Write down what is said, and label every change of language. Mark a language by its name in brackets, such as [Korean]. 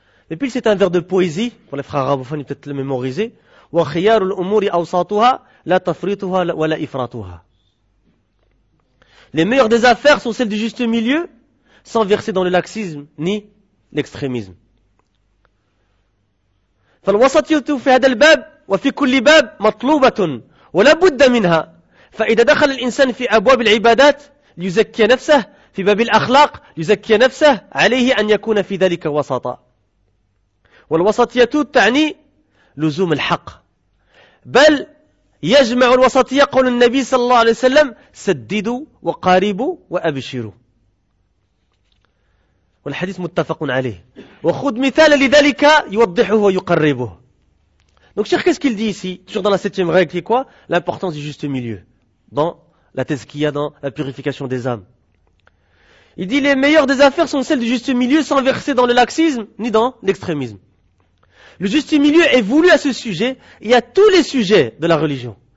[French] Et puis, c'est un vers de poésie, pour les frères arabophones, ils peut-être le mémoriser. [Arabic] وَخِيَارُ الْأُمُورِ أَوْسَاطُهَا لَا تَفْرِيطُهَا وَلَا إِفْرَاطُهَا. [French] Les meilleures des affaires sont celles du juste milieu, sans verser dans le laxisme ni l'extrémisme. [Arabic] فَالْوَسَطِيَةُ فِي هَدَ الْبَابِ وَفِي كُلِّ بَابِ مَطْلُوبَةٌ وَلَا بُدَّ مِنْهَا فَإِذَا دَخَلَ الْإِنسَانِ فِي أَبْوَابِ الْعِبَادَاتِ لِيُزَكِّيَ نَفْسَهُ في باب الأخلاق يزكي نفسه عليه أن يكون في ذلك وسطا والوسطية تعني لزوم الحق بل يجمع الوسطية قول النبي صلى الله عليه وسلم سددوا وقاربوا وأبشروا والحديث متفق عليه وخذ مثال لذلك يوضحه ويقربه. [French] Donc Cheikh, qu'est-ce qu'il dit ici toujours dans la septième règle, qui est quoi? L'importance du juste milieu dans la tazkiya, dans la purification des âmes. Il dit, les meilleures des affaires sont celles du juste milieu sans verser dans le laxisme ni dans l'extrémisme. Le juste milieu est voulu à ce sujet et à tous les sujets de la religion.